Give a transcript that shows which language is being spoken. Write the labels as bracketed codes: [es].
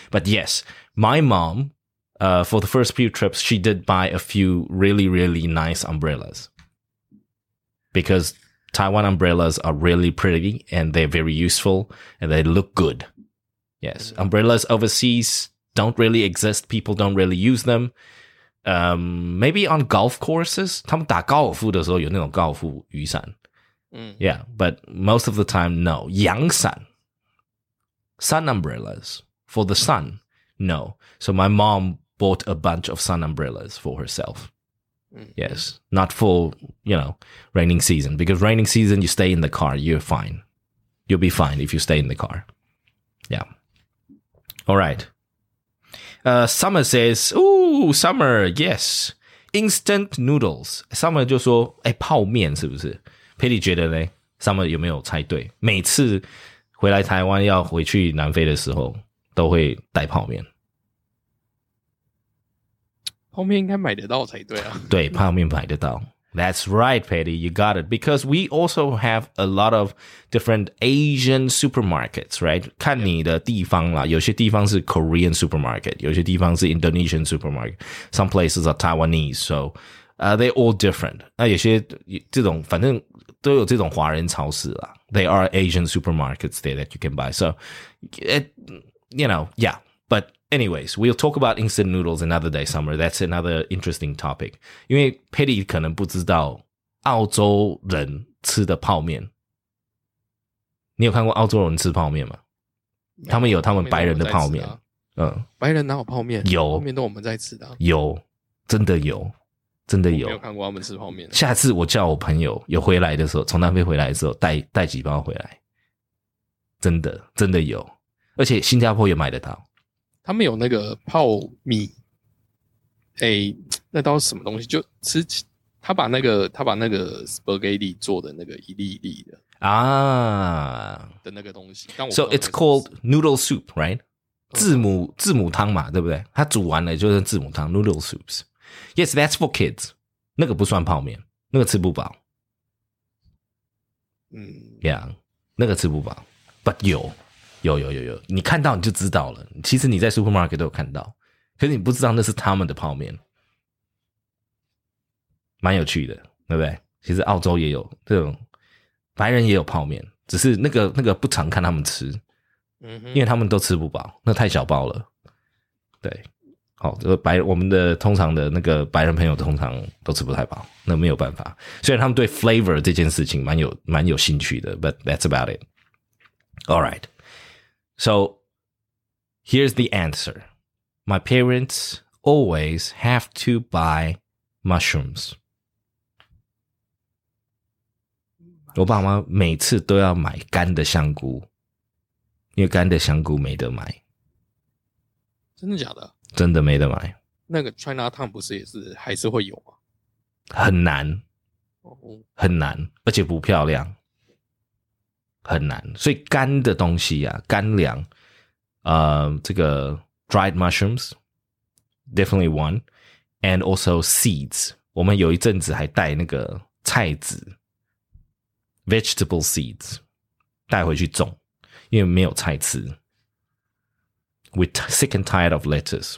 [en] But yes, my mom, for the first few trips, she did buy a few really, really nice umbrellas. Because Taiwan umbrellas are really pretty and they're very useful and they look good. Yes, umbrellas overseas don't really exist. People don't really use them. Maybe on golf courses, [zh] 他们打高尔夫的时候有那种高尔夫雨伞。 [en] Yeah, but most of the time, no. Yang san. Sun umbrellas. For the sun, no. So my mom bought a bunch of sun umbrellas for herself. Yes, not for, you know, raining season. Because raining season, you stay in the car, you're fine. You'll be fine if you stay in the car. Yeah. All right. Summer says, ooh, summer, yes. Instant noodles. [zh] Summer 就说、欸、泡面是不是Petty 觉得呢 ,Summer 有没有猜对每次回来台湾要回去南非的时候都会带泡面。泡面应该买得到才对啊。对泡面买得到。 [en] That's right, Petty, you got it. Because we also have a lot of different Asian supermarkets, right? [zh] 看你的地方啦有些地方是 Korean supermarket, 有些地方是 Indonesian supermarket, [en] some places are Taiwanese, so,they're all different. [zh] 那有些这种反正都有这种华人超市啦 [en] They are Asian supermarkets there that you can buy. So, you know, yeah. But anyways, we'll talk about instant noodles another day, Summer. That's another interesting topic. [zh] 因为 Petty 可能不知道澳洲人吃的泡面。你有看过澳洲人吃泡面吗？他们有他们白人的泡面。白人哪有泡面？有。泡面都我们在吃的。有。真的有。真的有，我没有看过他们吃泡面。下次我叫我朋友有回来的时候，从南非回来的时候带几包回来，真的真的有，而且新加坡也买得到。他们有那个泡米，欸，那道什么东西，就吃他把那个 spaghetti 做的那个一粒一粒的啊的那个东西。 [en] So it's called noodle soup, right? [zh] 字母汤嘛，对不对？他煮完了就是字母汤 ， [en] noodle soups。 Yes, that's for kids。 [zh] 那个不算泡面，那个吃不饱。嗯，Yeah， 那个吃不饱。 But 有，你看到你就知道了。其实你在 supermarket 都有看到，可是你不知道那是他们的泡面。蛮有趣的，对不对？其实澳洲也有这种，白人也有泡面，只是那个不常看他们吃。因为他们都吃不饱，那太小包了。对，好，哦，我们的通常的那个白人朋友通常都吃不太饱，那没有办法。虽然他们对 flavor 这件事情蛮有兴趣的 ， [en] but that's about it. All right, so here's the answer. My parents always have to buy mushrooms. [zh] 我爸妈每次都要买干的香菇。因为干的香菇没得买，真的假的？真的没得买。那个 China Town 不是也是还是会有吗？很难，很难，而且不漂亮，很难。所以干的东西啊，干粮，这个 [en] dried mushrooms definitely one， and also seeds。 [zh] 我们有一阵子还带那个菜籽 vegetable seeds 带回去种。因为没有菜吃 ， [en] we're sick and tired of lettuce。